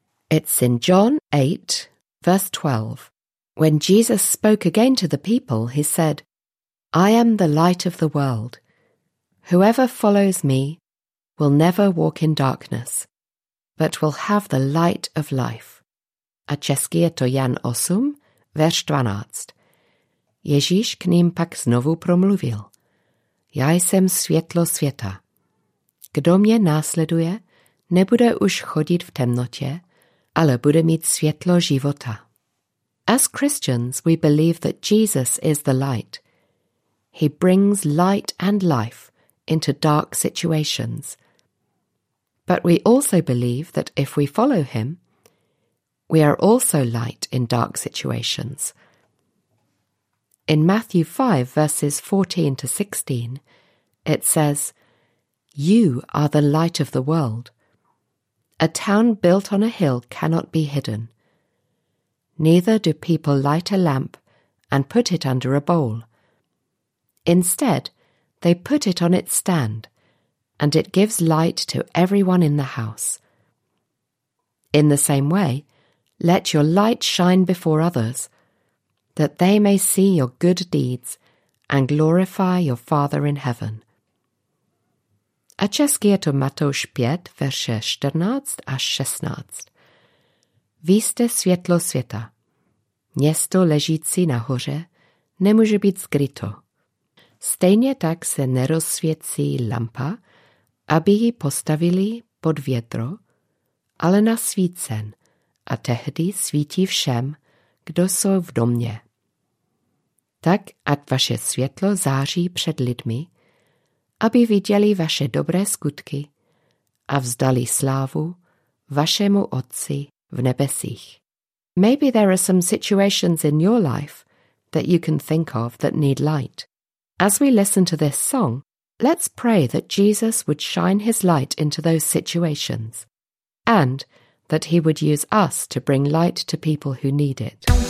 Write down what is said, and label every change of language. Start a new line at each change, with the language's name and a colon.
English: It's in John 8, verse 12. When Jesus spoke again to the people, he said, I am the light of the world. Whoever follows me will never walk in darkness, but will have the light of life.
Czech: A český je to Jan 8, verš 12. Ježíš k ním pak znovu promluvil. Já jsem světlo světa. Kdo mě následuje, nebude už chodit v temnotě, ale bude mít světlo života.
English: As Christians, we believe that Jesus is the light. He brings light and life into dark situations. But we also believe that if we follow him, we are also light in dark situations. In Matthew 5, verses 14 to 16, it says, You are the light of the world. A town built on a hill cannot be hidden. Neither do people light a lamp and put it under a bowl. Instead, they put it on its stand, and it gives light to everyone in the house. In the same way, let your light shine before others, that they may see your good deeds and glorify your Father in heaven.
Czech: A český je to Matouš 5, verše 14 až 16. Vy jste světlo světa. Město ležící nahoře nemůže být skryto. Stejně tak se nerozsvěcí lampa, aby ji postavili pod větro, ale na svícen, a tehdy svítí všem, kdo jsou v domě. Tak, ať vaše světlo září před lidmi, aby viděli vaše dobré skutky a vzdali slávu vašemu Otci v nebesích.
English: Maybe there are some situations in your life that you can think of that need light. As we listen to this song, let's pray that Jesus would shine his light into those situations and that he would use us to bring light to people who need it.